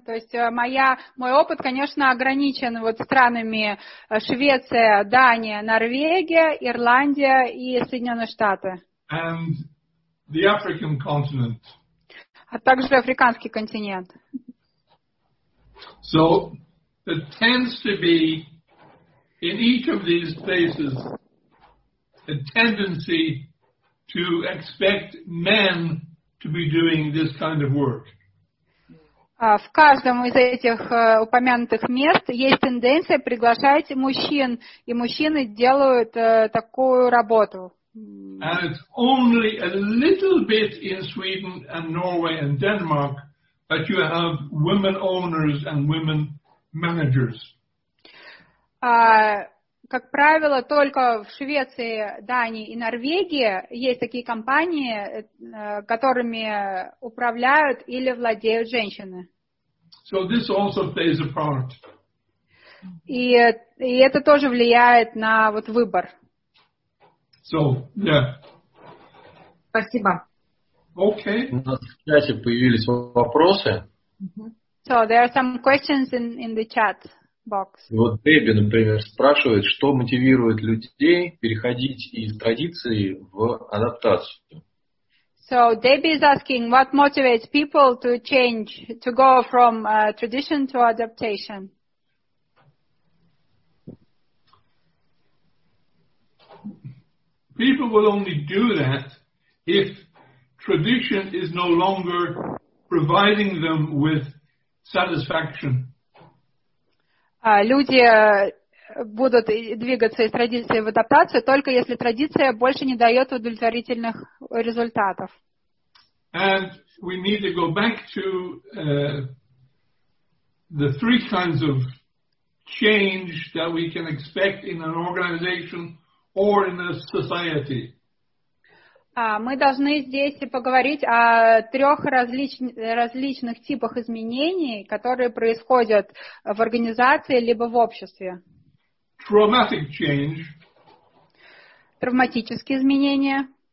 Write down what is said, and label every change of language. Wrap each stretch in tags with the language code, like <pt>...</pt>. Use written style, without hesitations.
<ru>То есть мой опыт, конечно, ограничен вот странами Швеция, Дания, Норвегия, Ирландия и Соединенные Штаты.</ru> <en>And the African continent.</en> <ru>А также африканский континент.</ru> <en>So there tends to be in each of these places a tendency to expect men to be doing this kind of work.</en> <ru>В каждом из этих упомянутых мест есть тенденция приглашать мужчин, и мужчины делают такую работу.</ru> <en>And it's only a little bit in Sweden and Norway and Denmark that you have women owners and women managers.</en> <ru>Как правило, только в Швеции, Дании и Норвегии есть такие компании, которыми управляют или владеют женщины.</ru> <en>So this also plays a part.</en> <ru>И это тоже влияет на вот выбор.</ru> <en>So, yeah.</en> <ru>Спасибо.</ru> <en>Okay.</en> <ru>У нас в чате появились вопросы.</ru> <en>So there are some questions in the chat.</en> <ru>Вот Дебби, например, спрашивает, что мотивирует людей переходить из традиции в адаптацию.</ru> <en>So Debbie is asking, what motivates people to change, to go from tradition to adaptation? People will only do that if tradition is no longer providing them with satisfaction.</en> <ru>Люди будут двигаться из традиции в адаптацию только если традиция больше не дает удовлетворительных результатов.</ru> <en>And we need to go back to the three kinds of change that we can expect in an organization or in a society.</en> <ru>Мы должны здесь поговорить о трех различных типах изменений, которые происходят в организации либо в обществе.</ru> <en>Traumatic change.</en> <ru>Травматические изменения.</ru>